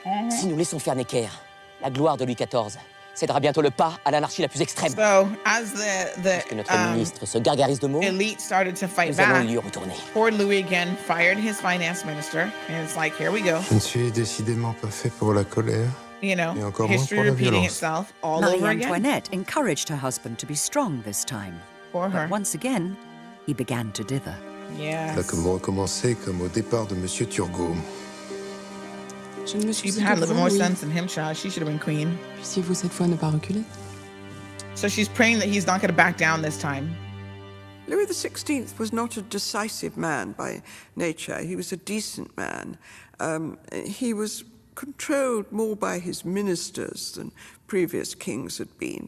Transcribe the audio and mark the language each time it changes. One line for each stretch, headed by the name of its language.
French: Si nous laissons faire Necker, la gloire de Louis XIV cédera bientôt le pas à l'anarchie la plus extrême.
English: So, as the
French: ministre se gargarise de mots,
English: elite started to fight back. Poor Louis again fired his finance minister, and it's like, here we go.
French: Je ne suis décidément pas fait pour la colère.
English: You know, history repeating itself all Marie over again. Marie-Antoinette encouraged her husband to be strong this time. For her. But once again, he began to dither. Yes.
French: Là, comme recommencer comme au départ de Monsieur Turgot.
English: She had a little more sense than him, child. She should have been queen.
French: Puissiez-vous cette fois ne pas reculer?
English: So she's praying that he's not going to back down this time. Louis XVI was not a decisive man by nature. He was a decent man. He was controlled more by his ministers than previous kings had been.